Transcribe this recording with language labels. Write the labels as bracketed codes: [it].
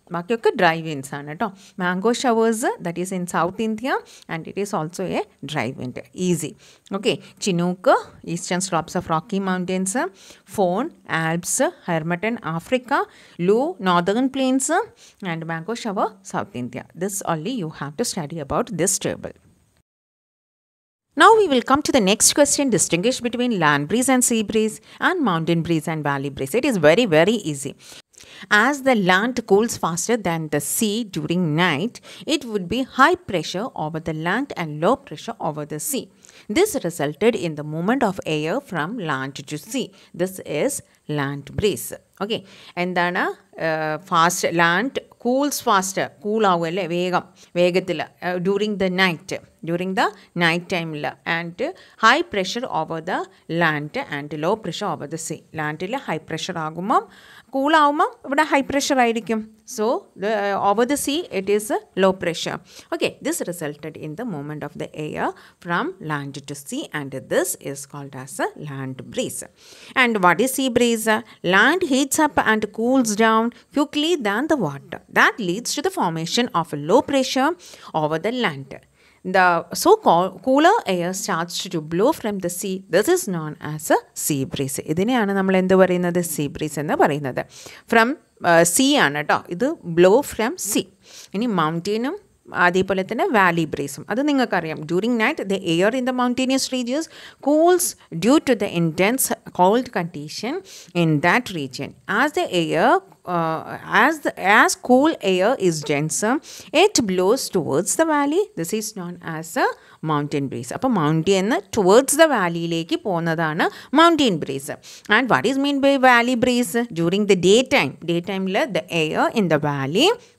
[en] ബാക്കിയൊക്കെ dry winds ആണ് കേട്ടോ. Mango showers, that is in south India and it is also a dry wind. Easy. Okay, chinook eastern slopes of Rocky mountains, foehn Alps, harmattan Africa, Loo northern plains and mango shower south India. This only you have to study about this table. Now we will come to the next question. Distinguish between land breeze and sea breeze and mountain breeze and valley breeze. It is very, very easy. As the land cools faster than the sea during night, it would be high pressure over the land and low pressure over the sea. This resulted in the movement of air from land to sea. This is land breeze. Okay. [ml] എന്താണ്? [en] fast land cools fast, [ml] കൂളാവും അല്ലേ വേഗം, വേഗത്തിൽ. [en] During the night ടൈമിൽ and high pressure over the land and low pressure over the sea. [ml] ലാൻഡിൽ high pressure ആകുമ്പം, കൂളാവുമ്പം ഇവിടെ high pressure ആയിരിക്കും. [en] So the over the sea it is low pressure. Okay, this resulted in the movement of the air from land to sea and this is called as a land breeze. And what is sea breeze? Land heats up and cools down quickly than the water. That leads to the formation of a low pressure over the land. The so-called cooler air starts to blow from the sea. This is known as a sea breeze. [ml] ഇതിനെയാണ് നമ്മൾ എന്ത് പറയുന്നത്? See breeze എന്ന് പറയുന്നത്. From see ആണ് കേട്ടോ ഇത്, [en] Blow from sea. [ml] ഇനി മൗണ്ടെയിനും അതേപോലെ തന്നെ വാലി ബ്രീസും, അത് നിങ്ങൾക്കറിയാം. [en] During night the air in the mountainous regions cools due to the intense cold condition in that region. As cool air is denser, it blows towards the valley. This is known as a mountain breeze. Appa mountain towards the valley leki ponadana mountain breeze. And what is mean by valley breeze? During the daytime, daytime la the air in the valley